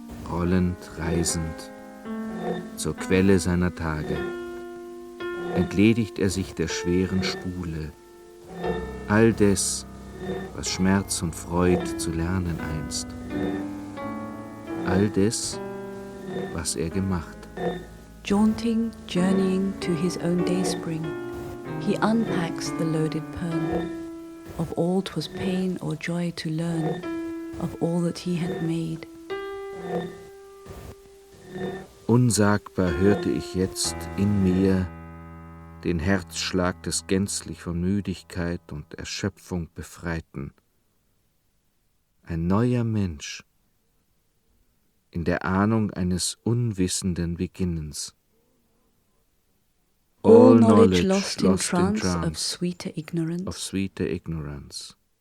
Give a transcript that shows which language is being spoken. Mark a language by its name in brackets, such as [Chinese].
[German] Rollend, reisend, zur Quelle seiner Tage, entledigt er sich der schweren Spule, all des, was Schmerz und Freud zu lernen einst. All des, was er gemacht hat. [English] jaunting, journeying to his own dayspring, he unpacks the loaded pearl. Of all 'twas pain or joy to learn, of all that he had made. [German] Unsagbar hörte ich jetzt in mir den Herzschlag des gänzlich von Müdigkeit und Erschöpfung Befreiten. Ein neuer Mensch in der Ahnung eines unwissenden Beginnens. [English] All knowledge lost in trance of sweeter ignorance.